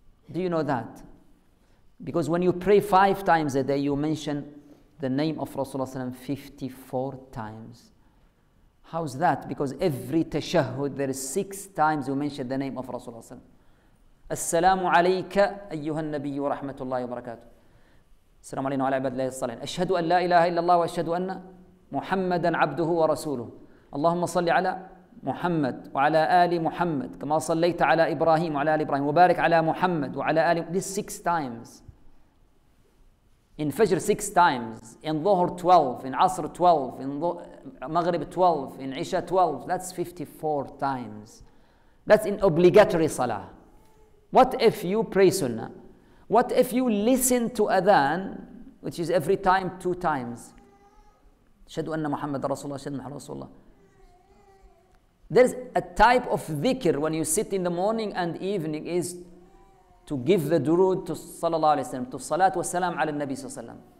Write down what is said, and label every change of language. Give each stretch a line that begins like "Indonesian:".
English: Do you know that? Because when you pray 5 times a day, you mention the name of Rasulullah 54 times. How's that? Because every tashahud, there is 6 times you mention the name of Rasulullah.
Arabic: السلام عليك أيها النبي ورحمة الله وبركاته السلام علينا وعلى عباد الله الصالحين أشهد أن لا إله إلا الله وأشهد أن محمدا عبده ورسوله اللهم صل على محمد وعلى آل محمد كما صليت على إبراهيم وعلى آل إبراهيم وبارك على محمد وعلى آل
English: This 6 times in Fajr 6 times in Dhuhr 12 in Asr 12 in Maghrib 12 in Isha 12 that's 54 times that's in obligatory salah. What if you pray sunnah? What if you listen to adhan, which is every time 2 times?
Arabic: Shadu anna Muhammad Rasulullah, shadu anna Rasulullah.
English: There's a type of dhikr when you sit in the morning and evening is to give the durood to sallallahu alayhi wa sallam, to salat wa salam ala nabi sallallahu alayhi wa sallam.